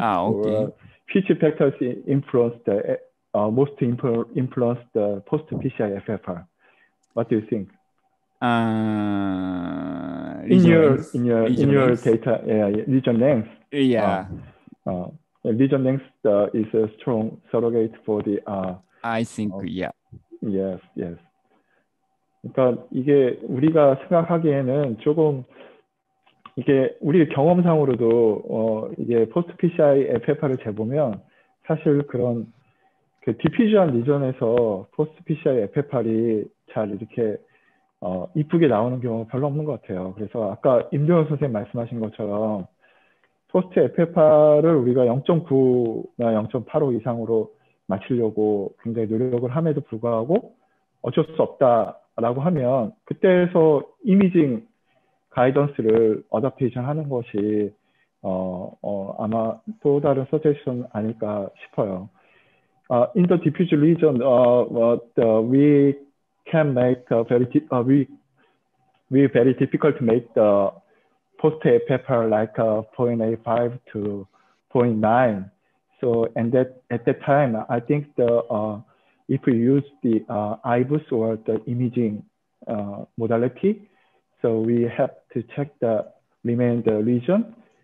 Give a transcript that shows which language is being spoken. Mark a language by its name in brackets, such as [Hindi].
[English] or which factors influence the most influence the post-PCI FFR? What do you think? In Lesion your length. Lesion length. data, lesion length. Yeah. Lesion length is a strong surrogate for the I think, yeah. yes. [Korean] 그러니까 이게 우리가 생각하기에는 조금 이게 우리 경험상으로도 이게 포스트 PCI FFR을 재보면 사실 그런 그 디퓨전 리전에서 포스트 PCI FFR이 잘 이렇게 이쁘게 나오는 경우가 별로 없는 것 같아요. 그래서 아까 임종현 선생님 말씀하신 것처럼 포스트 FFR을 우리가 0.9나 0.85 이상으로 맞추려고 굉장히 노력을 함에도 불구하고 어쩔 수 없다라고 하면 그때에서 이미징 가이던스를 어댑테이션 하는 것이 아마 또 다른 서제션 아닐까 싶어요. [English] In the diffuse region, we can make a very we very difficult to make the post FFR like 0.85 to 0.9. So, and that at that time, I think the if we use the IBUS or the imaging modality, so we have to check the remainder region.